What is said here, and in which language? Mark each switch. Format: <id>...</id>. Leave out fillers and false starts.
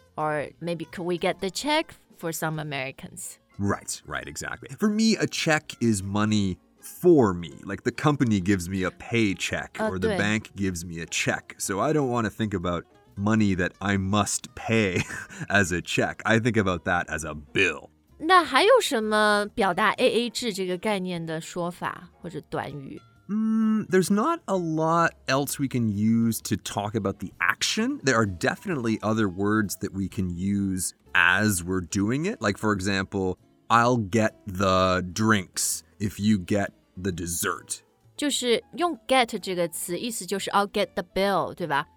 <en>Or maybe could we get the check for some Americans? Right, right, exactly. For me, a check is money for me. Like the company gives me a paycheck or the bank gives me a check. So I don't want to think about money that I must pay as a check. I think about that as a bill.</en> <zh>那还有什么表达 AA 制这个概念的说法或者短语？</zh> <en>There's not a lot else we can use to talk about the action. There are definitely other words that we can use as we're doing it. Like, for example, I'll get the drinks if you get the dessert.</en> <zh>就是用 get 这个词，意思就是</zh> <en>I'll get the bill,</en> <zh>对吧？</zh>